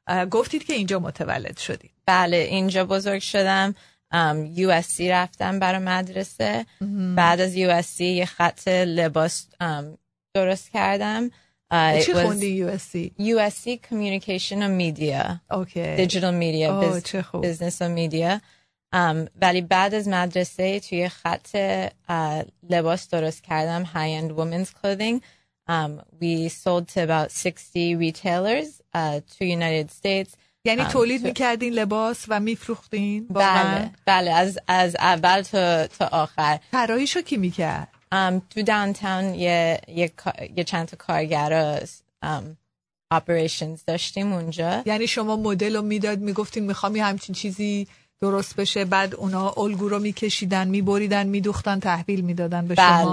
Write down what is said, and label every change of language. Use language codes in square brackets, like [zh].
[fa] گفتید که اینجا متولد شدید. بله، اینجا بزرگ شدم. یو اس سی رفتم برای مدرسه. بعد از یو اس سی یه خط لباس درست کردم. چه خوندی USC؟ [en] USC Communication and Media. Okay. Digital Media. Business and Media. [fa] ولی بعد از مدرسه توی خط لباس درست کردم. [en] High-end women's clothing. We sold to about 60 retailers to United States. [fa] یعنی تولید میکردین لباس و میفروختین با بله. من؟ بله. از اول تا آخر. طراحیشو کی میکرد؟ تو داونتاون یه چند تا کارگر اپریشنز داشتیم اونجا. یعنی شما مدل رو میداد، میگفتین میخوام یه همچین چیزی درست بشه، بعد اونا الگو رو میکشیدن، میبریدن، میدوختن، تحویل میدادن به شما؟